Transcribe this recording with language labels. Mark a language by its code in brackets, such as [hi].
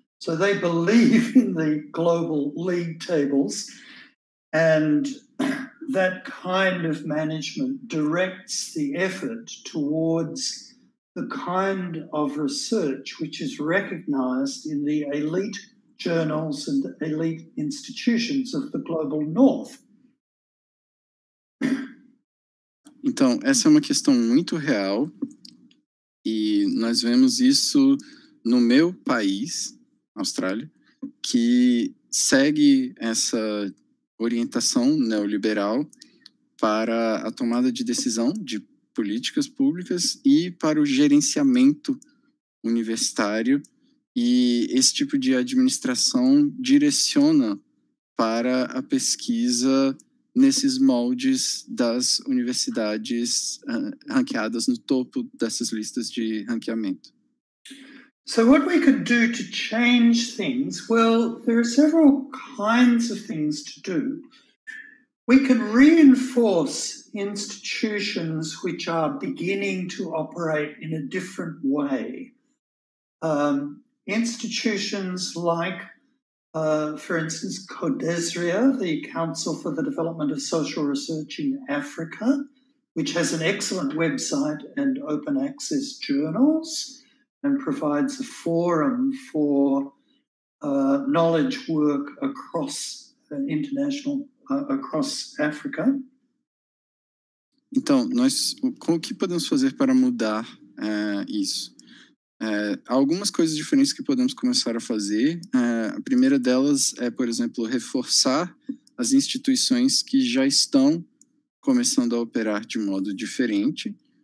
[en] So they believe in the global league tables, and that kind of management directs the effort towards the kind of research which is recognized in the elite journals and elite institutions of the global North. [pt] Então, essa é uma questão muito real, e nós vemos isso no meu país, Austrália, que segue essa orientação neoliberal para a tomada de decisão de políticas públicas e para o gerenciamento universitário, e esse tipo de administração direciona para a pesquisa nesses moldes das universidades ranqueadas no topo dessas listas de ranqueamento. [en] So what we could do to change things? Well, there are several kinds of things to do. We can reinforce institutions which are beginning to operate in a different way. Institutions like, for instance, CODESRIA, the Council for the Development of Social Research in Africa, which has an excellent website and open access journals and provides a forum for knowledge work across international, across Africa. [pt] Então, nós, como que podemos fazer para mudar isso? Algumas coisas diferentes que podemos começar a fazer. A primeira delas é, por exemplo, reforçar as instituições que já estão começando a operar de modo diferente.